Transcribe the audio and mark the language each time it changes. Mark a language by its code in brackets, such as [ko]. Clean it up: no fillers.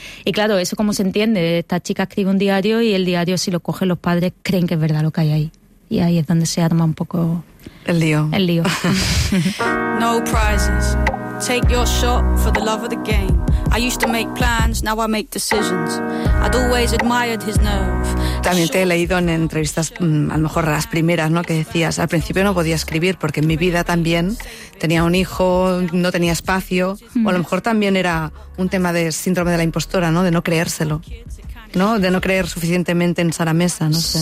[es] Y claro, eso como se entiende, esta chica escribe un diario y el diario, si lo cogen los padres, creen que es verdad lo que hay ahí. Y ahí es donde se arma un poco el lío. [en] No prizes. Take your shot for the love of the game. I used to make plans, now I make decisions. I'd always admired his nerve. [es] También te he leído en entrevistas, a lo mejor las primeras, ¿no? Que decías, al principio no podía escribir porque en mi vida también tenía un hijo, no tenía espacio. O a lo mejor también era un tema de síndrome de la impostora, ¿no? De no creérselo, ¿no? De no creer suficientemente en Sara Mesa, no sé.